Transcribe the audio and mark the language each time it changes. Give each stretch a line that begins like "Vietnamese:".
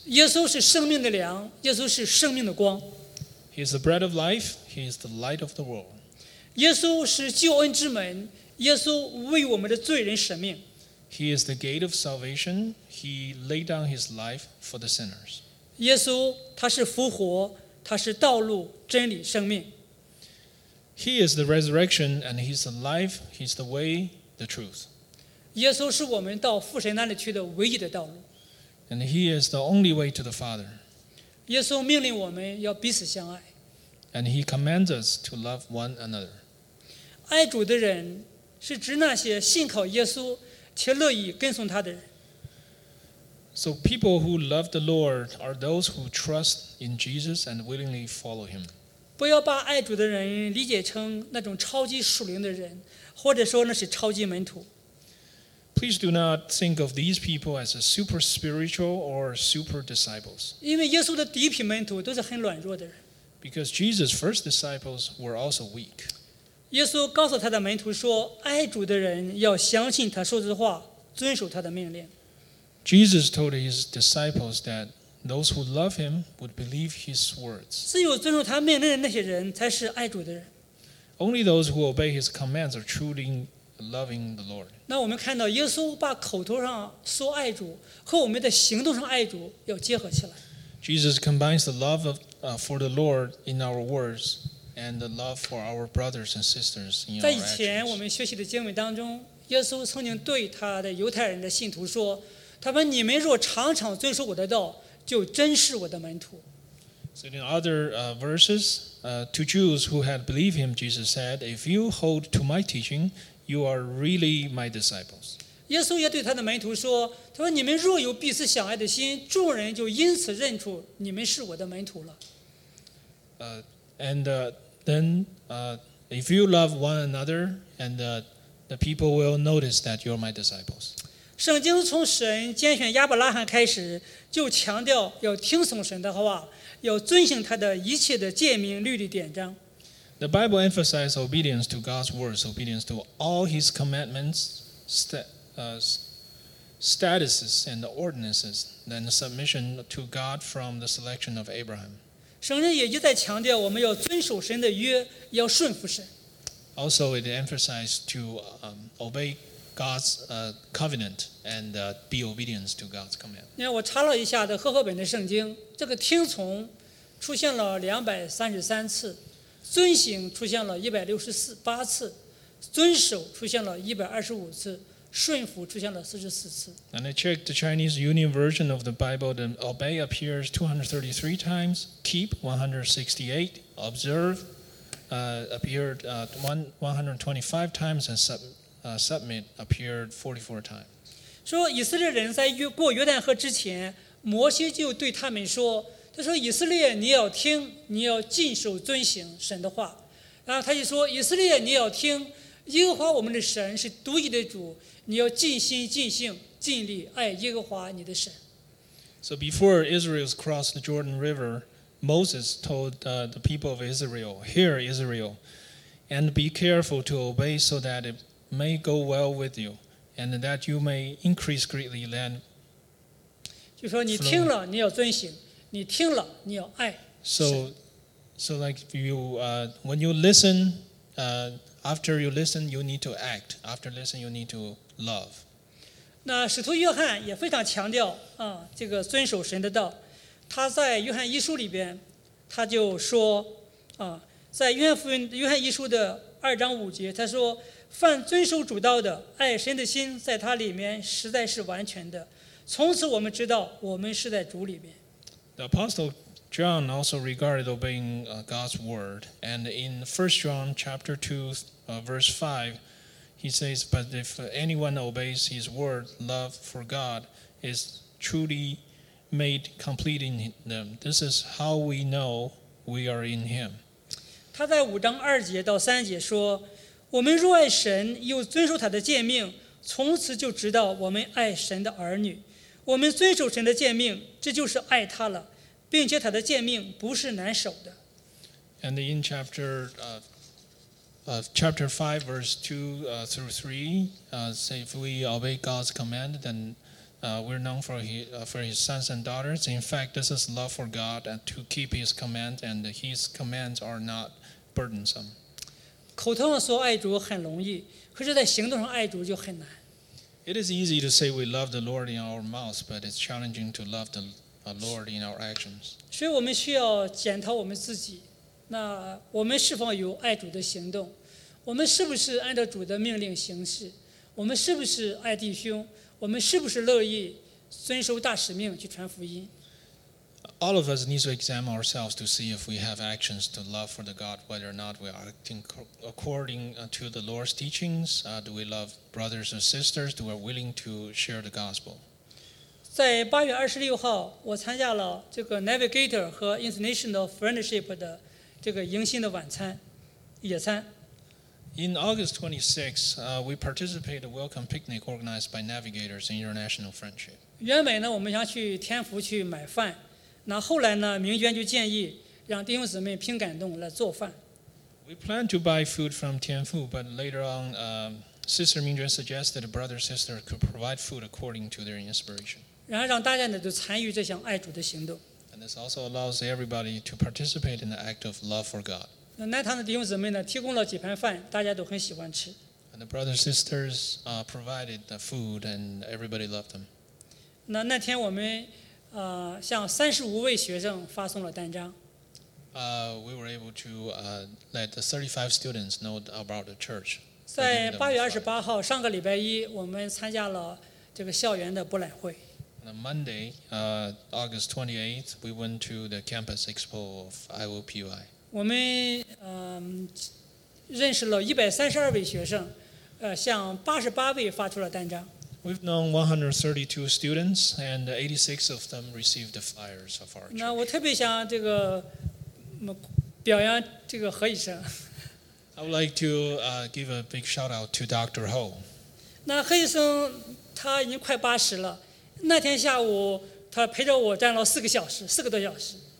Chinese: 耶稣是生命的粮，耶稣是生命的光。
English: He is the bread of life, he is the light of the world.
Chinese: 耶稣是救恩之门，耶稣为我们的罪人舍命。
English: He is the gate of salvation. He laid down his life for the sinners.
Chinese: 耶稣他是复活，他是道路、真理、生命。
English: He is the resurrection and he is the life. He is the way, the truth.
Chinese: 耶稣是我们到父神那里去的唯一的道路。
English: And he is the only way to the Father.
Chinese: 耶稣命令我们要彼此相爱。
English: And he commands us to love one another.
Chinese: 爱主的人是指那些信靠耶稣且乐意跟从他的人。
English: So people who love the Lord are those who trust in Jesus and willingly follow him.
Chinese: 不要把爱主的人理解成那种超级属灵的人，或者说那是超级门徒。
English: Please do not think of these people as a super spiritual or super disciples.
Chinese: 因为耶稣的第一批门徒都是很软弱的人。
English: Because Jesus' first disciples were also weak.
Chinese: 耶稣告诉他的门徒说，爱主的人要相信他说的话，遵守他的命令。
English: Jesus told his disciples that those who love him would believe his words.
Chinese: 只有遵守他命令的那些人才是爱主的人。
English: Only those who obey his commands are truly loving the Lord.
Chinese: 那我们看到耶稣把口头上说爱主和我们的行动上爱主要结合起来。
English: Jesus combines the love of, for the Lord in our words. And the love for our brothers and sisters in our actions.
Chinese: 在以前我们学习的经文当中，耶稣曾经对他的犹太人的信徒说，他们你们若常常遵守我的道，就真是我的门徒。
English: So in other verses, to Jews who had believed him, Jesus said, if you hold to my teaching, you are really my disciples.
Chinese: 耶稣也对他的门徒说，他说你们若有彼此相爱的心，众人就因此认出你们是我的门徒了。
English: And then, if you love one another, and the people will notice that you're my disciples.
Chinese: 圣经从神拣选亚伯拉罕开始，就强调要听从神的话，要遵行他的一切的诫命、律例、典章。
English: The Bible emphasizes obedience to God's words, obedience to all His commandments, statutes and ordinances, and submission to God from the selection of Abraham.
Chinese: 圣经也一再强调我们要遵守神的约，要顺服神。
English: Also, it emphasized to obey God's covenant and be obedient to God's command.
Chinese: 那我查了一下的和合本的圣经，这个听从出现了233次，遵行出现了168次，遵守出现了125次，顺服出现了44次。
English: And I checked the Chinese Union version of the Bible, and obey appears 233 times, keep 168, observe appeared 125 times, and submit appeared 44 times.
Chinese: 说以色列人在过约旦河之前，摩西就对他们说，他说以色列你要听，你要尽守遵行神的话。然后他就说以色列你要听，耶和华我们的神是独一的主，你要尽心尽性尽力爱耶和华你的神。
English: So before Israel crossed the Jordan River, Moses told the people of Israel, Hear Israel, and be careful to obey so that it may go well with you, and that you may increase greatly land.
Chinese: 就说你听了你要遵行，你听了你要爱神。
English: So like you, when you listen, after you listen, you need to act. After listen, you need to love.
Chinese: 那使徒约翰也非常强调啊，这个遵守神的道。他在约翰一书里边，他就说啊，在约翰一书的2:5，他说：“凡遵守主道的，爱神的心在他里面实在是完全的。从此我们知道，我们是在主里面。”
English: The apostle John also regarded obeying God's word, and in 1 John chapter 2, verse 5. He says, but if anyone obeys his word, love for God is truly made complete in them. This is how we know we are in him.
Chinese: 他在五章二节到三节说，我们若爱神又遵守他的诫命，从此就知道我们爱神的儿女。我们遵守神的诫命，这就是爱他了，并且他的诫命不是难守的。
English: And in chapter 5 verse 2 through 3 say if we obey God's command thenWe're known for his sons and daughters. In fact, this is love for God and to keep his commands, and his commands are not burdensome.
Chinese: 口头上说爱主很容易，可是在行动上爱主就很难。
English: It is easy to say we love the Lord in our mouths, but it's challenging to love the Lord in our actions.
Chinese: 所以我们需要检讨我们自己，那我们是否有爱主的行动？我们是不是按照主的命令行事？我们是不是爱弟兄？我们是不是乐意遵守大使命去传福音？
English: All of us need to examine ourselves to see if we have actions to love for the God, whether or not we are acting according to the Lord's teachings. Do we love brothers and sisters? Do we are willing to share the gospel?
Chinese: 在八月二十六号，我参加了这个 Navigator 和 International Friendship 的这个迎新的晚餐野餐。
English: In August 26, we participated in a welcome picnic organized by Navigators in International Friendship.
Chinese: 原本呢，我们想去天福去买饭，那后来呢，明娟就建议让弟兄姊妹凭感动来做饭。
English: We planned to buy food from Tianfu, but later on, Sister Mingjuan suggested a brother sister could provide food according to their inspiration.
Chinese: 然后让大家呢都参与这项爱主的行动。
English: And this also allows everybody to participate in the act of love for God.
Chinese: 南堂的弟兄姊妹呢提供了几盘饭，大家都很喜欢吃。
English: And the brothers and sisters provided the food and everybody loved them.
Chinese: 那天我们向35位学生发送了单张。
English: We were able to let the 35 students know about the church.
Chinese: 在8月28号上个礼拜一，我们参加了这个校园的博览会。
English: On Monday, August 28th, we went to the campus expo of IOPUI.
Chinese: 我们认识了132位学生，向88位发出了单张。
English: We've known 132 students, and 86 of them received the flyers of our church.
Chinese: 那我特别想这个表扬这个何医生。
English: I would like to give a big shout out to Dr. Ho.
Chinese: 那何医生他已经快80了，那天下午他陪着我站了4个多小时。